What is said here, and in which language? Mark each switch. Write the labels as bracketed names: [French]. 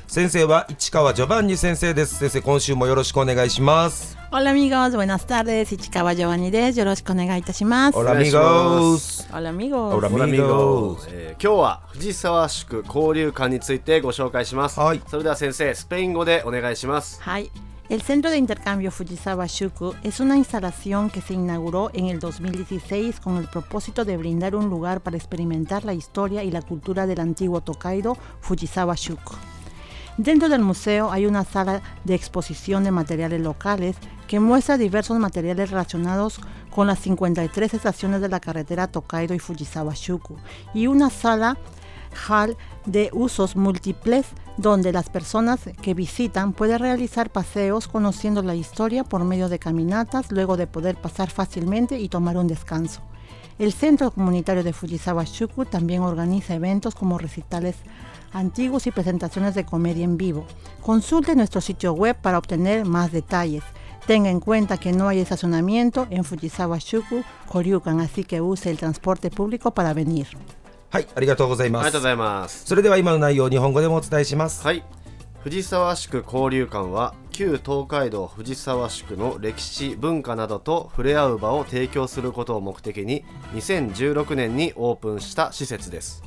[Japanese] 先生は市川ジョバンニ先生です。先生今週もよろしくお願いします。 [Spanish] オラミゴーズ、ブエナスタル [Japanese] です。市川ジョバンニです。よろしくお願いいたします。 [Spanish] オラミゴーズ、オラミゴーズ、オラミゴーズ、 [Japanese] 今日は藤沢宿交流館についてご紹介します。はい、それでは先生スペイン語でお願いします。はい。 [Spanish] El Centro de Intercambio Fujisawa Shuku es una instalación que se inauguró en el 2016 con el propósito de brindar un lugar para experimentar la historia y la cultura del antiguo Tokaido Fujisawa Shuku. Dentro del museo hay una sala de exposición de materiales locales que muestra diversos materiales relacionados con las 53 estaciones de la carretera Tokaido y Fujisawa Shuku y una sala hall de usos múltiples donde las personas que visitan pueden realizar paseos conociendo la historia por medio de caminatas luego de poder pasar fácilmente y tomar un descanso. El Centro Comunitario de Fujisawa Shuku también organiza eventos como recitales antiguos y presentaciones de comedia en vivo. Consulte nuestro sitio web para obtener más detalles. Tenga en cuenta que no hay estacionamiento en Fujisawa Shuku Koryukan, así que use el transporte público para venir. [Japanese] はい、ありがとうございます。ありがとうございます。それでは今の内容を日本語でもお伝えします。はい。藤沢宿交流館は旧東海道藤沢宿の歴史文化などと触れ合う場を提供することを目的に2016年にオープンした施設です。